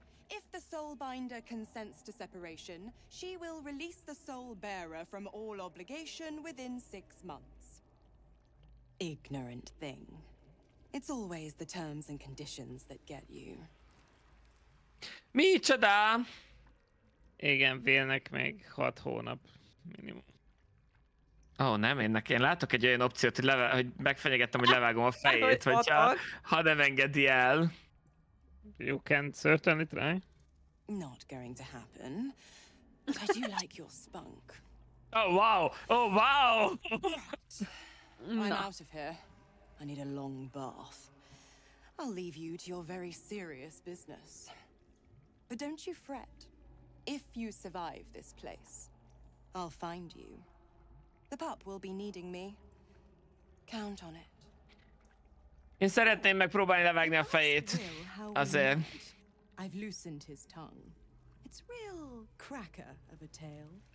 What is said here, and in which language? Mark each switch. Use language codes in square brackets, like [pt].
[en] If the soul binder consents to separation, she will release the soul bearer from all obligation within 6 months. Ignorant thing. It's always the terms and conditions that get you. [hu] Mi csoda? Igen, Vélnek még 6 hónap minimum. Ó, oh, nem, én látok egy olyan opciót, hogy, hogy megfenyegettem, hogy levágom a fejét, hogyha, ha nem engedi el. [en] You can certainly try. Not going to happen. But you like your spunk. Oh, wow! Oh, wow! I'm out of here. I need a long bath. I'll leave you to your very serious business. But don't you fret. If you survive this place, I'll find you. The pup will be needing me. Count on it. [hu] Én szeretném megpróbálni levágni a fejét. Azért. [en] I've loosened his tongue. It's real cracker of a tail.